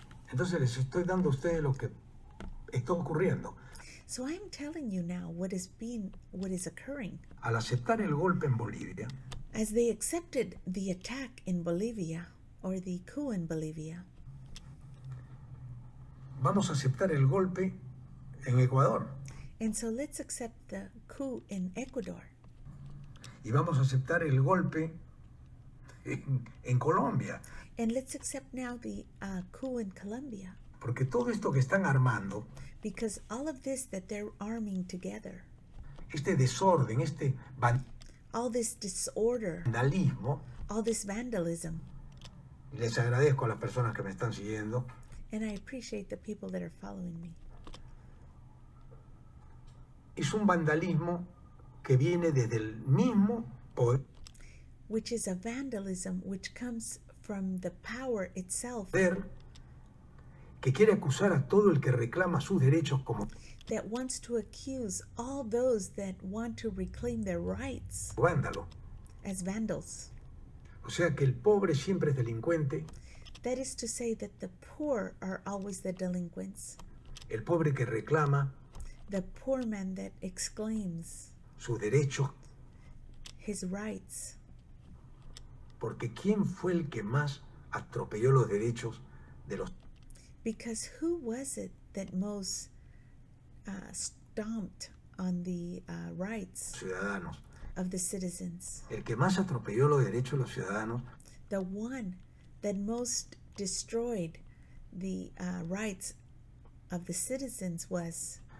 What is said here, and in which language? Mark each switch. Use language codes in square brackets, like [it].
[es] Entonces les estoy dando a ustedes lo que está ocurriendo. [en] So I'm telling you now what is occurring. [es] Al aceptar el golpe en Bolivia, [en] as they accepted the attack in Bolivia, or the coup in Bolivia, [es] vamos a aceptar el golpe en Ecuador. [en] And so let's accept the coup in Ecuador. [es] Y vamos a aceptar el golpe en Colombia. [en] And let's accept now the coup in Colombia. [es] Porque todo esto que están armando, [en] because all of this that they're arming together, [es] este desorden, este [en] all this disorder, [es] vandalismo, [en] all this vandalism, [es] les agradezco a las personas que me están siguiendo, [en] and I appreciate the people that are following me. [es] Es un vandalismo que viene desde el mismo poder, [en] which is a vandalism which comes from the power itself, [es] que quiere acusar a todo el que reclama sus derechos como [en] that wants to accuse all those that want to reclaim their rights [es] vándalo [en] as vandals. [es] O sea que el pobre siempre es delincuente. [en] That is to say that the poor are always the delinquents. [es] El pobre que reclama [en] the poor man that exclaims [es] sus derechos [en] his rights. [es] Porque ¿quién fue el que más atropelló los derechos de los? [en] Because who was it that most stomped on the rights [es] ciudadanos. [en] Of the citizens? [es] El que más atropelló los derechos de los ciudadanos. [en] The one that most destroyed the rights of the citizens was